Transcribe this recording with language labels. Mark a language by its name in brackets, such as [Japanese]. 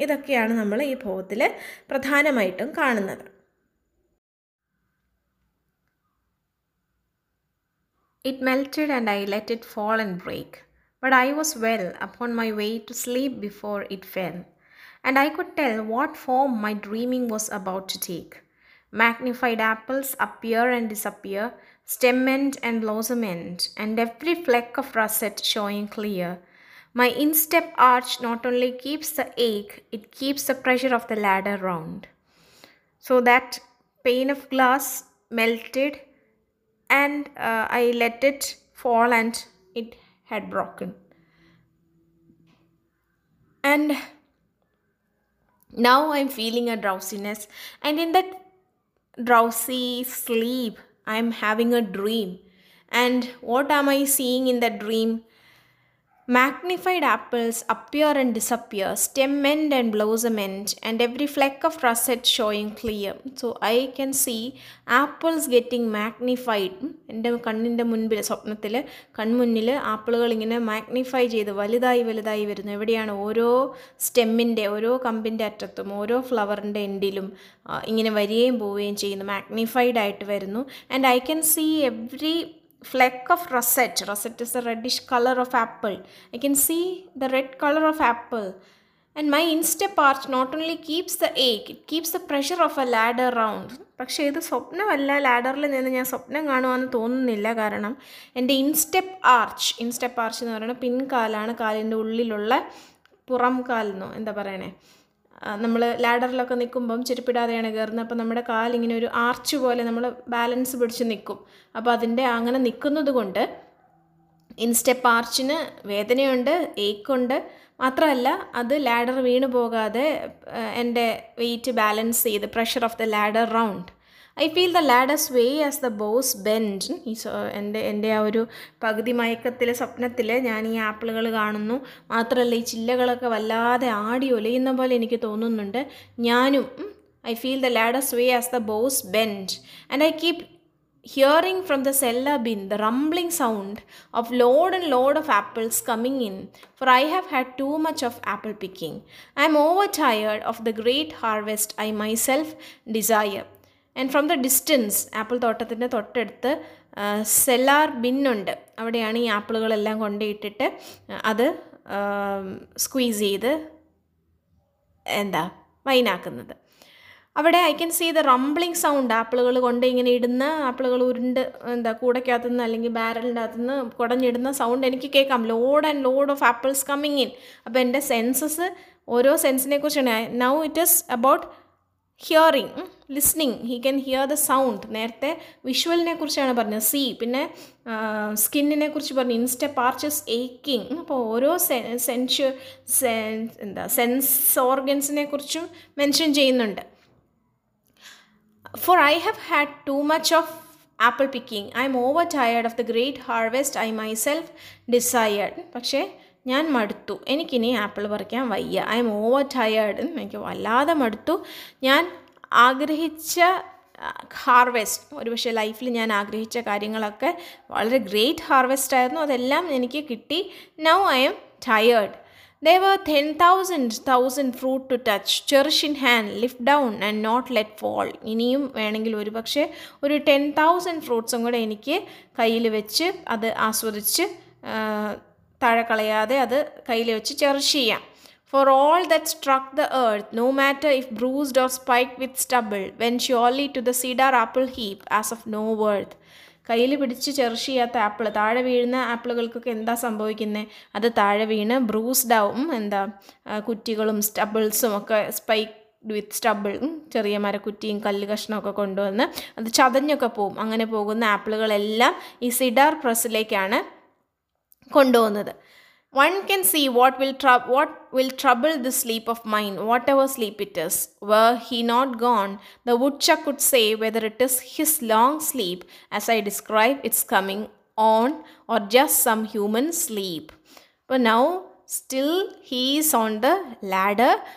[Malayalam] ഇതൊക്കെയാണ് നമ്മൾ ഈ ഭോഗത്തിൽ പ്രധാനമായിട്ടും കാണുന്നത്. [English] It melted and I let it fall and break. But I was well upon my way to sleep before it fell. And I could tell what form my dreaming was about to take. Magnified apples appear and disappear, stem end and blossom end, and every fleck of russet showing clear. My instep arch not only keeps the ache, it keeps the pressure of the ladder round. So that pane of glass melted and I let it fall and it had broken. And now I'm feeling a drowsiness, and in that drowsy sleep I'm having a dream. And what am I seeing in that dream? Magnified apples appear and disappear, stem end and blossom end, and every fleck of russet showing clear. So I can see apples getting magnified. [Malayalam] എൻ്റെ കണ്ണിൻ്റെ മുൻപിൽ, സ്വപ്നത്തിൽ കൺമുന്നിൽ ആപ്പിളുകൾ ഇങ്ങനെ magnify ചെയ്ത് വലുതായി വലുതായി വരുന്നു. എവിടെയാണ്? ഓരോ സ്റ്റെമ്മിൻ്റെ, ഓരോ കമ്പിൻ്റെ അറ്റത്തും ഓരോ ഫ്ലവറിൻ്റെ എൻഡിലും ഇങ്ങനെ വരികയും പോവുകയും ചെയ്യുന്നു, മാഗ്നിഫൈഡ് ആയിട്ട് വരുന്നു. [English] And I can see every fleck of russet. Russet is the reddish color of apple. I can see the red color of apple. And my instep arch not only keeps the ache, it keeps the pressure of a ladder round. [Malayalam] പക്ഷേ ഇത് സ്വപ്നമല്ല, ലാഡറിൽ നിന്ന് ഞാൻ സ്വപ്നം കാണുവാന്ന് തോന്നുന്നില്ല. കാരണം എൻ്റെ ഇൻസ്റ്റെപ്പ് arch, ഇൻസ്റ്റെപ്പ് arch എന്ന് പറയുന്നത് പിൻകാലാണ്, കാലിൻ്റെ ഉള്ളിലുള്ള പുറം കാലെന്നു എന്താ പറയണേ, നമ്മൾ ലാഡറിലൊക്കെ നിൽക്കുമ്പം ചെരുപ്പിടാതെയാണ് കയറുന്നത്. അപ്പോൾ നമ്മുടെ കാലിങ്ങനെ ഒരു ആർച്ച് പോലെ നമ്മൾ ബാലൻസ് പിടിച്ച് നിൽക്കും. അപ്പോൾ അതിൻ്റെ അങ്ങനെ നിൽക്കുന്നത് കൊണ്ട് ഇൻസ്റ്റെപ്പ് ആർച്ചിന് വേദനയുണ്ട്, ഏക്കുണ്ട്. മാത്രമല്ല അത് ലാഡർ വീണു പോകാതെ എൻ്റെ വെയിറ്റ് ബാലൻസ് ചെയ്ത്, [English] Pressure of the ladder round. I feel the ladder sway as the boughs bend. [Malayalam] എൻ്റെ ആ ഒരു പകുതി മയക്കത്തിലെ സ്വപ്നത്തിൽ ഞാൻ ഈ ആപ്പിളുകൾ കാണുന്നു. മാത്രമല്ല ഈ ചില്ലകളൊക്കെ വല്ലാതെ ആടി ഒലയുന്ന പോലെ എനിക്ക് തോന്നുന്നുണ്ട്. ഞാനും [English] I feel the ladder sway as the boughs bend and I keep hearing from the cellar bin the rumbling sound of load and load of apples coming in, for I have had too much of apple picking. I am overtired of the great harvest I myself desire. And from the distance, apple [Malayalam] തോട്ടത്തിൻ്റെ തൊട്ടടുത്ത് cellular ബിന്നുണ്ട്. അവിടെയാണ് ഈ ആപ്പിളുകളെല്ലാം കൊണ്ടിട്ടിട്ട് അത് squeeze ചെയ്ത് എന്താ വൈനാക്കുന്നത്. അവിടെ [English] I can see the rumbling sound, [Malayalam] ആപ്പിളുകൾ കൊണ്ട് ഇങ്ങനെ ഇടുന്ന ആപ്പിളുകൾ ഉരുണ്ട് എന്താ കൂടയ്ക്കകത്ത് നിന്ന് അല്ലെങ്കിൽ ബാരലിൻ്റെ അകത്ത് നിന്ന് കുടഞ്ഞിടുന്ന സൗണ്ട് എനിക്ക് കേൾക്കാം. [English] Load and load of apples coming in. [Malayalam] അപ്പോൾ എൻ്റെ സെൻസസ് ഓരോ സെൻസിനെ കുറിച്ചാണ്. [English] Now it is about hearing, listening. He can hear the sound. [Malayalam] നേരത്തെ വിഷ്വലിനെ കുറിച്ചാണ് പറഞ്ഞത്, സീ. പിന്നെ സ്കിന്നിനെ കുറിച്ച് പറഞ്ഞു, [English] ഇൻസ്റ്റെപ്പ് arches ഏക്കിങ്. [Malayalam] അപ്പോൾ ഓരോ സെൻസ് ഓർഗൻസിനെ കുറിച്ചും മെൻഷൻ ചെയ്യുന്നുണ്ട്. [English] For I have had too much of apple picking. I am overtired of the great harvest I myself desired. [Malayalam] പക്ഷേ ഞാൻ മടുത്തു, എനിക്കിനി ആപ്പിൾ പറിക്കാൻ വയ്യ. [English] I am overtired, [Malayalam] എനിക്ക് വല്ലാതെ മടുത്തു. ഞാൻ ആഗ്രഹിച്ച ഹാർവെസ്റ്റ്, ഒരുപക്ഷെ ലൈഫിൽ ഞാൻ ആഗ്രഹിച്ച കാര്യങ്ങളൊക്കെ വളരെ ഗ്രേറ്റ് ഹാർവെസ്റ്റ് ആയിരുന്നു, അതെല്ലാം എനിക്ക് കിട്ടി. [English] Now I am tired. There were 10,000 fruit to touch, cherish in hand, lift down and not let fall. [Malayalam] ഇനിയും വേണമെങ്കിൽ ഒരു പക്ഷേ ഒരു 10,000 ഫ്രൂട്ട്സും കൂടെ എനിക്ക് കയ്യിൽ വെച്ച് അത് ആസ്വദിച്ച് താഴെ കളയാതെ അത് കയ്യിൽ വെച്ച് ചെറിഷ് ചെയ്യാം. [English] For all that struck the earth, no matter if bruised or spike with stubble, when surely to the cedar apple heap as of no worth. [Malayalam] കയ്യിൽ പിടിച്ച് ചെറിഷ് ചെയ്യാത്ത ആപ്പിൾ, താഴെ വീഴുന്ന ആപ്പിളുകൾക്കൊക്കെ എന്താ സംഭവിക്കുന്നത്? അത് താഴെ വീണ് ബ്രൂസ്ഡ് ആവും. എന്താ കുറ്റികളും സ്റ്റബിൾസും ഒക്കെ, [English] spike with സ്റ്റബിളും, [Malayalam] ചെറിയ മരക്കുറ്റിയും കല്ല് കഷ്ണമൊക്കെ കൊണ്ടുവന്ന് അത് ചതഞ്ഞൊക്കെ പോവും. അങ്ങനെ പോകുന്ന ആപ്പിളുകളെല്ലാം ഈ സിഡാർ പ്രസ്സിലേക്കാണ് കൊണ്ടുപോകുന്നത്. [English] One can see what will trouble the sleep of mine, whatever sleep it is. Were he not gone, the woodchuck could say whether it is his long sleep, as I describe its coming on, or just some human sleep. But now, still he is on the ladder,